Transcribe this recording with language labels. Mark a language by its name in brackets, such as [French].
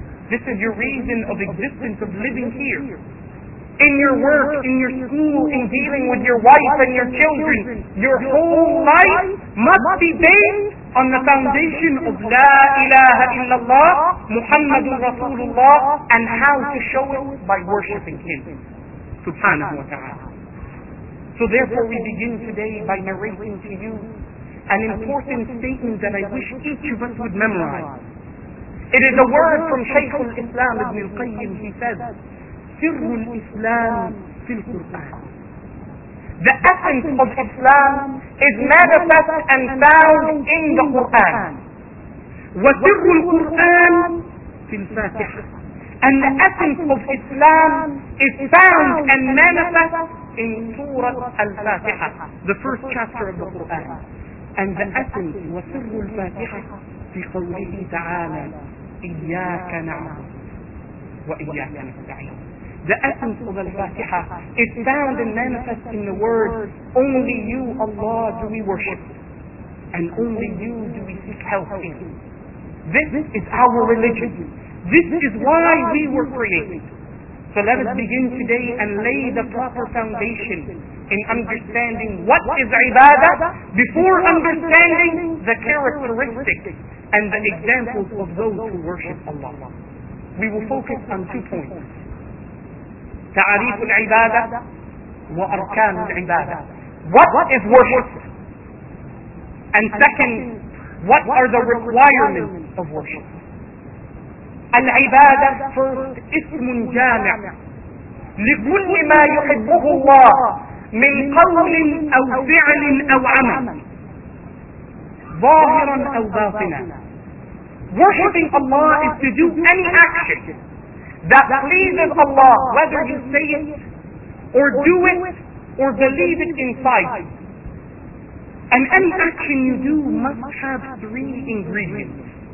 [English] This is your reason of existence, of living here. In your work, in your school, in dealing with your wife and your children, your whole life must be based on the foundation of La ilaha illallah, Muhammadun Rasulullah, and how to show it by worshipping Him, subhanahu wa ta'ala. So therefore we begin today by narrating to you an important statement that I wish each of us would memorize. It is a word from Shaykh al-Islam ibn al-Qayyim. He says, [Arabic] سِرُّ الْإِسْلَامِ فِي الْقُرْآنِ. [English] The essence of Islam is manifest and found in the Qur'an. [Arabic] وَسِرُّ الْقُرْآنِ فِي الْفَاتِحَةِ. [English] And the essence of Islam is found and manifest in Surah Al-Fatiha, the first chapter of the Qur'an. And the essence, [Arabic] وَسِرُّ الْفَاتِحَةِ فِي قَوْلِهِ تَعَالَى إِيَّاكَ نَعْبُدُ وَإِيَّاكَ نَسْتَعِينُ. [English] The essence of Al-Fatiha is found and manifest in the words, only you, Allah, do we worship, and only you do we seek help in. This is our religion. This is why we were created. So let us begin today and lay the proper foundation in understanding what is ibadah before understanding the characteristics and the examples of those who worship Allah. We will focus on two points. [Arabic] تعريف العبادة وأركان العبادة. [English] What is worship? And second, what are the requirements of worship? [Arabic] العبادة [English] first [Arabic] اسم جامع لكل ما يحبه الله من قول أو فعل أو عمل ظاهرا أو باطنا. [English] Worshipping Allah is to do any action that pleases Allah, whether you say it, or do it, or believe it inside. And any action you do must have three ingredients.